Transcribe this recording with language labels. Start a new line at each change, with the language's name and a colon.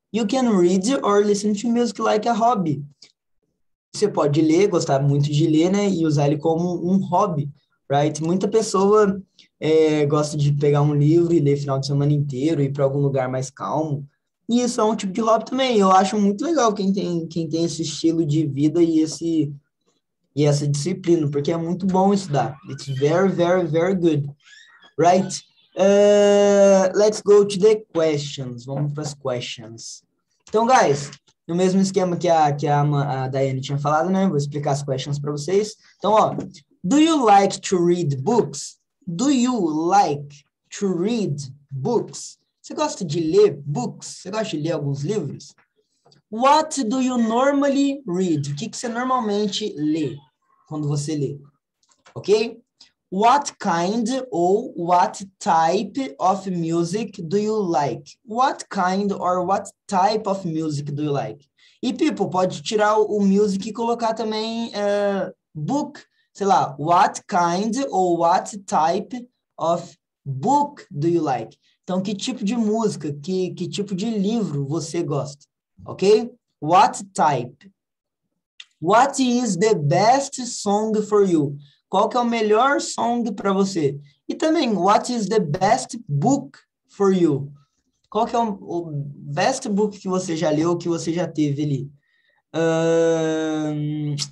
English: You can read or listen to music like a hobby.
Portuguese: Você pode ler, gostar muito de ler, né? E usar ele como um hobby. Right? Muita pessoa gosta de pegar um livro e ler final de semana inteiro, ir para algum lugar mais calmo. E isso é um tipo de hobby também. Eu acho muito legal quem tem esse estilo de vida e E essa disciplina, porque é muito bom estudar.
English: It's very, very, very good. Right? Let's go to the questions.
Portuguese: Vamos para as questions. Então, guys, no mesmo esquema que a Daiane tinha falado, né? Vou explicar as questions para vocês. Então, ó.
English: Do you like to read books? Do you like to read books?
Portuguese: Você gosta de ler books? Você gosta de ler alguns livros?
English: What do you normally read?
Portuguese: O que você normalmente lê quando você lê? Ok?
English: What kind or what type of music do you like? What kind or what type of music do you like?
Portuguese: E, people, pode tirar o music e colocar também book.
English: Sei lá, what kind or what type of book do you like?
Portuguese: Então, que tipo de música, que tipo de livro você gosta? Ok?
English: What type? What is the best song for you?
Portuguese: Qual que é o melhor song para você?
English: E também, what is the best book for you?
Portuguese: Qual que é o best book que você já leu, que você já teve ali?